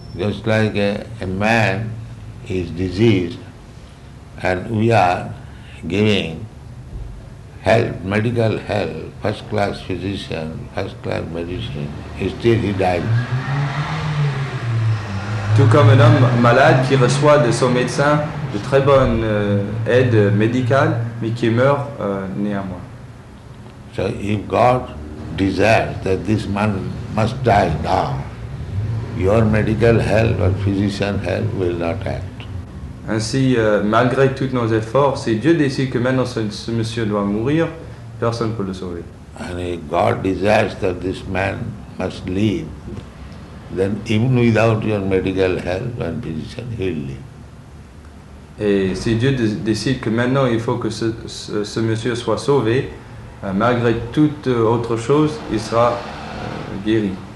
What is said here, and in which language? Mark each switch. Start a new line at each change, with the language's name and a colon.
English: Just like a man is diseased and we are giving help, medical help, first-class physician, first-class medicine, still he dies.
French: Tout comme un homme malade qui reçoit de son médecin de très bonnes aides médicales, mais qui meurent néanmoins.
English: So if God desires that this man must die now, your medical help or physician help will not act.
French: Ainsi, malgré tous nos efforts, si Dieu décide que maintenant ce monsieur doit mourir, personne ne peut le sauver.
English: And if God desires that this man must live, then even without your medical help and physician, he'll live.
French: Et si Dieu décide que maintenant il faut que ce monsieur soit sauvé, malgré toute autre chose, il sera guéri.